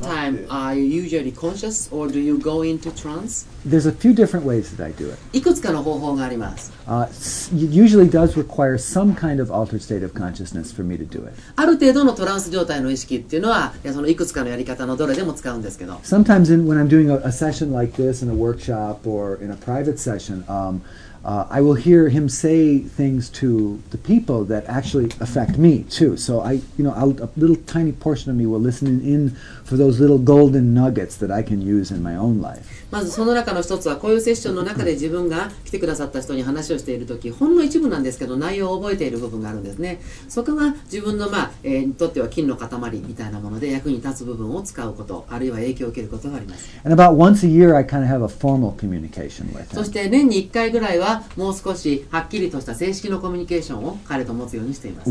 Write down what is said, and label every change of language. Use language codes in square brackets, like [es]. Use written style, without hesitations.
[en] time, are you usually conscious or do you go into trance? There's a few different ways that I do it. [ja] いくつかの方法があります。 [en] Usually does require some kind of altered state of consciousness for me to do it. [ja] ある程度のトランス状態の意識っていうのは、そのいくつかのやり方のどれでも使うんですけど。 [en] Sometimes when I'm doing a session like this in a workshop or in a private session, I will hear him say things to the people that actually affect me too. So I, you know, a little tiny portion of me will listen in for those little golden nuggets that I can use in my own life. [ja] まずその中の一つはこういうセッションの中で自分が来てくださった人に話をしているとき、ほんの一部なんですけど内容を覚えている部分があるんですね。そこが自分のまあ、とっては金の塊みたいなもので役に立つ部分を使うこと、あるいは影響を受けることがあります。 [en] And about once a year, I kind of have a formal communication with him. [ja] そして年に1回ぐらいはもう少しはっきりとした正式のコミュニケーションを彼と持つようにしています。